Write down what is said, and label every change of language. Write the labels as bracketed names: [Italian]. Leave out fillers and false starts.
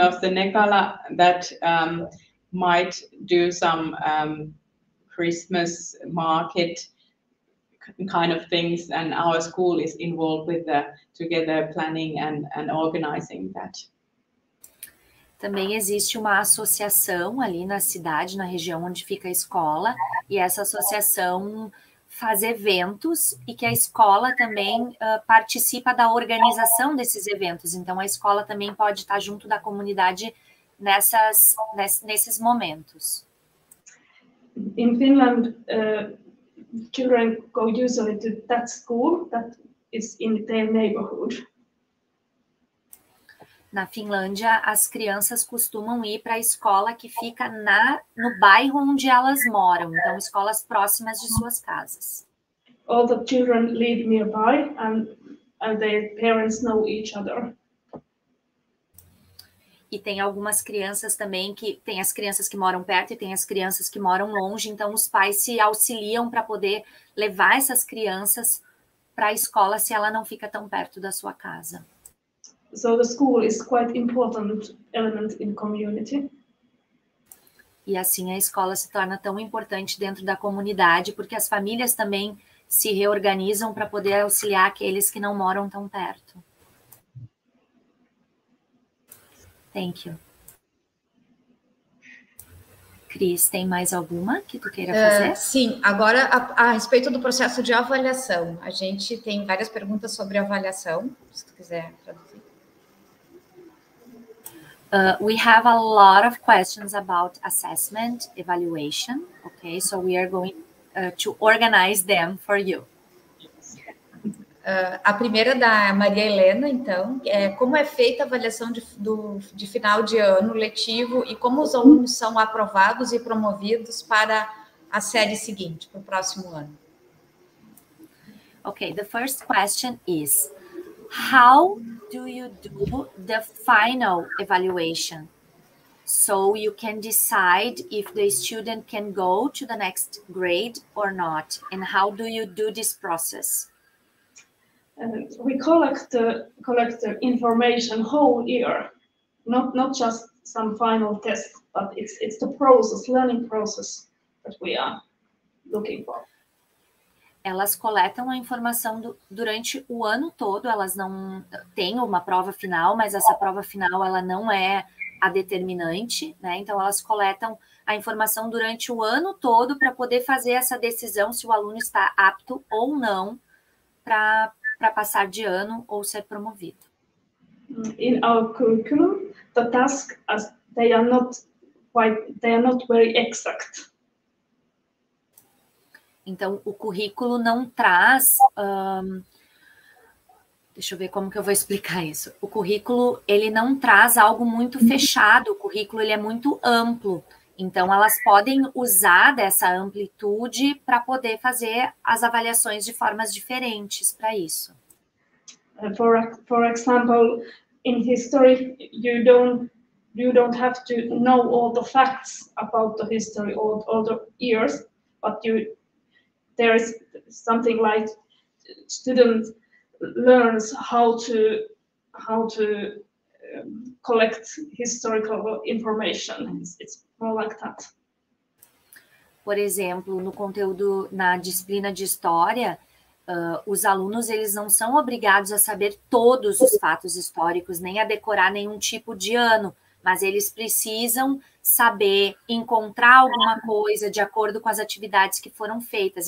[English] of the Nepala that might do some Christmas market kind of things. And our school is involved with the together planning and organizing that. [Portuguese] Também existe uma associação ali na cidade, na região onde fica a escola, e essa associação faz eventos e que a escola também participa da organização desses eventos. Então, a escola também pode estar junto da comunidade nesses momentos. [English] In Finland, children go usually to that school that is in their neighborhood. [Portuguese] Na Finlândia, as crianças costumam ir para a escola que fica no bairro onde elas moram, então escolas próximas de suas casas. [English] All the children live nearby and their parents know each other. [Portuguese] E tem algumas crianças também que tem as crianças que moram perto e tem as crianças que moram longe, então os pais se auxiliam para poder levar essas crianças para a escola se ela não fica tão perto da sua casa. [English] So the school is quite important element in community. [Portuguese] E assim a escola se torna tão importante dentro da comunidade, porque as famílias também se reorganizam para poder auxiliar aqueles que não moram tão perto. [English] Thank you. [Portuguese] Cris, tem mais alguma que tu queira fazer? Sim, agora a respeito do processo de avaliação. A gente tem várias perguntas sobre avaliação, se tu quiser traduzir. [English] We have a lot of questions about assessment, evaluation, okay? So we are going to organize them for you. [Portuguese] A primeira da Maria Helena, então, é como é feita a avaliação de final de ano letivo e como os alunos são aprovados e promovidos para a série seguinte, para o próximo ano? [English] Okay, the first question is, how do you do the final evaluation so you can decide if the student can go to the next grade or not? And how do you do this process? We collect the information whole year, not just some final test, but it's the process, learning process that we are looking for. [Portuguese] Elas coletam a informação durante o ano todo, elas não têm uma prova final, mas essa prova final ela não é a determinante, né? Então, elas coletam a informação durante o ano todo para poder fazer essa decisão se o aluno está apto ou não para passar de ano ou ser promovido. [English] In our curriculum, the task, as they are not very exact. [Portuguese] Então, o currículo não traz, deixa eu ver como que eu vou explicar isso. O currículo, ele não traz algo muito fechado, o currículo ele é muito amplo. Então, elas podem usar dessa amplitude para poder fazer as avaliações de formas diferentes para isso. [English] For example, in history, you don't have to know all the facts about the history, all the years, but you... There is something like student learns how to collect historical information. It's more like that. [Portuguese] Por exemplo, no conteúdo, na disciplina de história, os alunos, eles não são obrigados a saber todos os fatos históricos, nem a decorar nenhum tipo de ano, mas eles precisam saber encontrar alguma coisa de acordo com as atividades que foram feitas.